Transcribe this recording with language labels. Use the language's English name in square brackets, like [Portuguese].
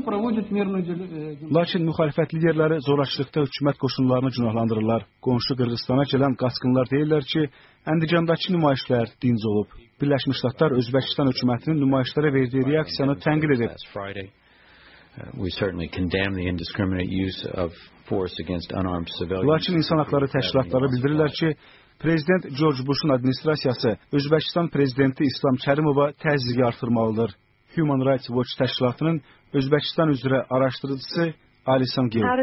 [Azerbaijani] Lakin müxalifət liderləri zorakılıqda hökumət qoşunlarını günahlandırırlar. Qonşu Qırğızstana gələn qaçqınlar deyirlər ki, Əndicandakı nümayişlər dinc olub. Birləşmiş Ştatlar Özbəkistan hökumətinin nümayişlərə verdiyi reaksiyanı tənqid edib. [English] We certainly condemn the indiscriminate use of force against unarmed civilians. [Azerbaijani] Lakin insan haqları təşkilatları bildirirlər ki, prezident George Bush'un administrasiyası Özbəkistan prezidenti İslam Kərimova təzyiq artırmalıdır. Human Rights Watch təşkilatının Özbəkistan üzrə araşdırıcısı Alisan Gil.